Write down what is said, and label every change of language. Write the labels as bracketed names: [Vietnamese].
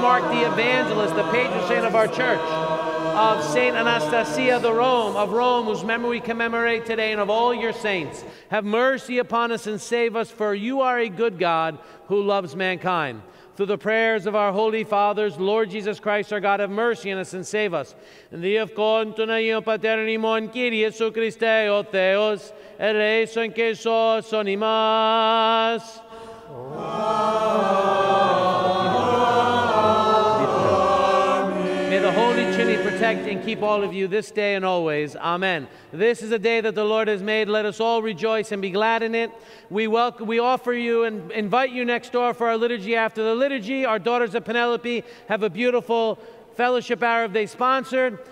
[English] Mark the Evangelist, the patron saint of our church, of St. Anastasia the Rome, of Rome, whose memory we commemorate today, and of all your saints, have mercy upon us and save us, for you are a good God who loves mankind. Through the prayers of our holy fathers, Lord Jesus Christ, our God, have mercy on us and save us. In the [Greek] ευχόν των Αγίων Πατέρων ημών, Κύριε Ιησού Χριστέ, ο Θεός, ελέησον και σώσον ημάς. [English] May the Holy Trinity protect and keep all of you this day and always. Amen. This is a day that the Lord has made. Let us all rejoice and be glad in it. We offer you and invite you next door for our liturgy after the liturgy. Our daughters of Penelope have a beautiful fellowship hour they sponsored.